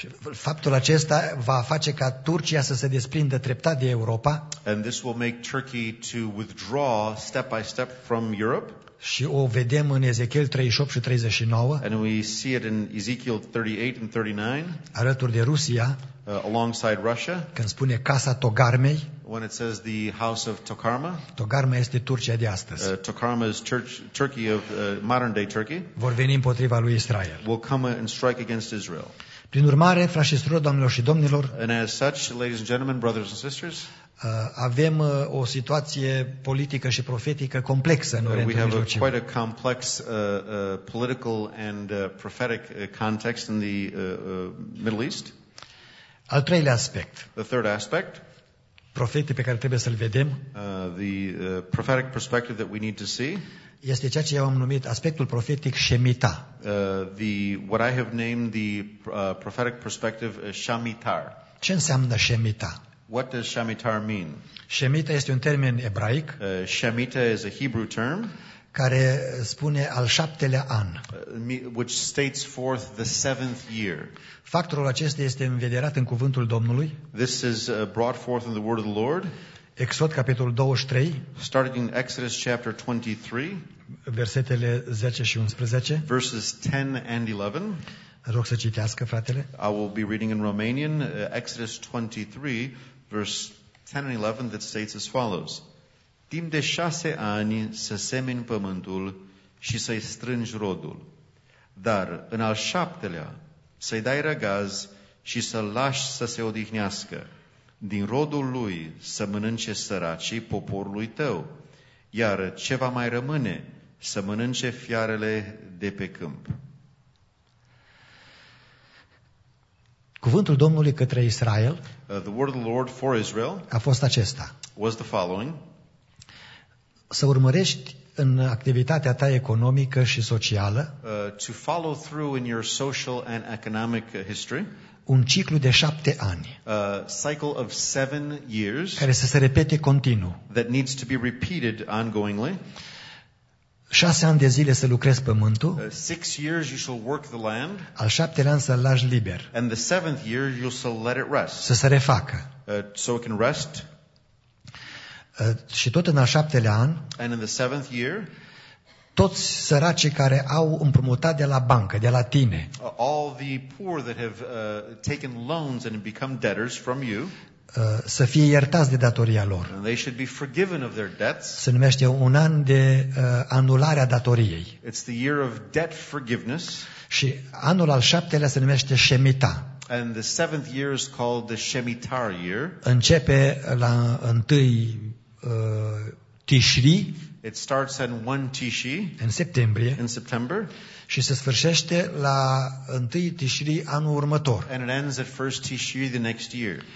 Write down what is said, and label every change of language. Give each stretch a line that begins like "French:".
Romanian: Faptul acesta va face ca Turcia să se desprindă treptat de Europa.
English: And this will make Turkey to withdraw step by step from Europe.
Romanian: Și o vedem în Ezechiel 38 și 39.
English: And we see it in Ezekiel 38 and 39.
Romanian: Alături de Rusia.
English: Alongside Russia.
Romanian: Când spune casa Togarmei.
English: When it says the house of Tokarma.
Romanian: Togarma este Turcia de astăzi.
English: Tokarma is Turkey of modern day Turkey.
Romanian: Vor veni împotriva lui Israel.
English: Will come and strike against Israel.
Romanian: Prin urmare, frați și surori, doamnelor și domnilor,
English: and as such, ladies and gentlemen, brothers and sisters,
Romanian: avem o situație politică și profetică complexă în Orientul Mijlociu.
English: We have quite a complex political and prophetic context in the Middle East.
Romanian: Al treilea aspect.
English: The third aspect.
Romanian: Profetii pe care trebuie să-l vedem.
English: The prophetic perspective that we need to see.
Romanian: Este ceea ce eu am numit aspectul profetic Shemita.
English: What I have named the prophetic perspective Shemitar.
Romanian: Ce înseamnă Shemita?
English: What does Shemitar mean?
Romanian: Shemita este un termen ebraic.
English: Shemita is a Hebrew term.
Romanian: Care spune al șaptelea an.
English: Which states forth the seventh year.
Romanian: Factorul acesta este învederat în cuvântul Domnului.
English: This is brought forth in the word of the Lord.
Romanian: Exod capitolul 23,
English: starting in Exodus chapter 23,
Romanian: versetele 10 și 11.
English: Verses 10 and 11.
Romanian: Rog să citească, fratele.
English: I will be reading in Romanian, Exodus 23, verse 10 and 11, that states as follows.
Romanian: Timp de 6 ani să semeni pământul și să-i strângi rodul, dar în al șaptelea să-i dai răgaz și să-l lași să se odihnească. Din rodul lui să mănânce săracii poporului tău, iar ce va mai rămâne, să mănânce fiarele de pe câmp. Cuvântul Domnului către Israel,
English: the word of the Lord for Israel
Romanian: a fost acesta.
English: Was the following.
Romanian: Să urmărești în activitatea ta economică și socială
English: to follow through in your social and economic history.
Romanian: Un ciclu de 7 ani.
English: A cycle of 7 years.
Romanian: Care să se repete continuu.
English: That needs to be repeated ongoingly.
Romanian: 6 ani de zile să lucrezi pământul.
English: 6 years you shall work the land.
Romanian: Al 7-lea an să-l lași liber.
English: And the 7th year you shall let it rest.
Romanian: Să se refacă.
English: So it can rest.
Romanian: Și tot în al 7-lea an.
English: And in the 7th year.
Romanian: Toți săracii care au împrumutat de la bancă, de la tine.
English: All the poor that have taken loans and become debtors from you.
Romanian: Să fie iertați de datoria lor.
English: They should be forgiven of their debts.
Romanian: Se numește un an de anulare a datoriei.
English: It's the year of debt forgiveness.
Romanian: Și anul al 7-lea se numește Shemitah.
English: And the 7th year is called the Shemitar year.
Romanian: Începe la 1 Tishri.
English: It starts on 1 Tishri.
Romanian: În septembrie.
English: In September.
Romanian: Și se sfârșește la 1 Tishri anul următor.
English: And it ends at 1 Tishri the next year.